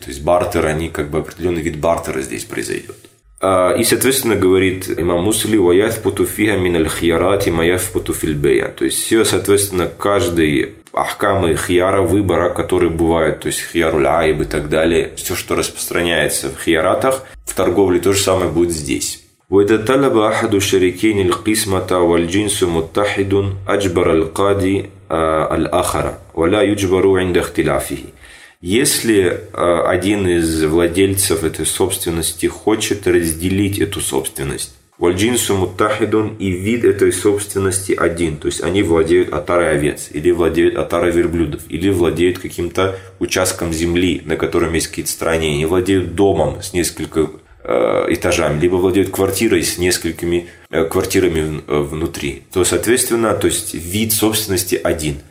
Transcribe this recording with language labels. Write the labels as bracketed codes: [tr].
[ru] То есть бартер, они как бы определенный вид бартера здесь произойдет. И, соответственно, говорит имам Мусли, «Ваяфпуту фиха миналь хьярати маяфпуту фильбея». То есть все, соответственно, каждый ахкам и хьяра выбора, которые бывают, то есть хьяруль айб и так далее, все, что распространяется в хьяратах, в торговле то же самое будет здесь. [ar] وإذا طلب أحد الشريكين القسمة والجنس متحد أجبر القاضي الآخر ولا يجبر عند اختلافه. [ru] Если один из владельцев этой собственности хочет разделить эту собственность, [ar] والجنس متحد, [ru] и вид этой собственности один, то есть они владеют отарой овец, или владеют отарой верблюдов, или владеют каким-то участком земли, на котором есть какие-то строения, они владеют домом с несколькими этажами, либо владеют квартирой с несколькими квартирами внутри, то, соответственно, то есть вид собственности один.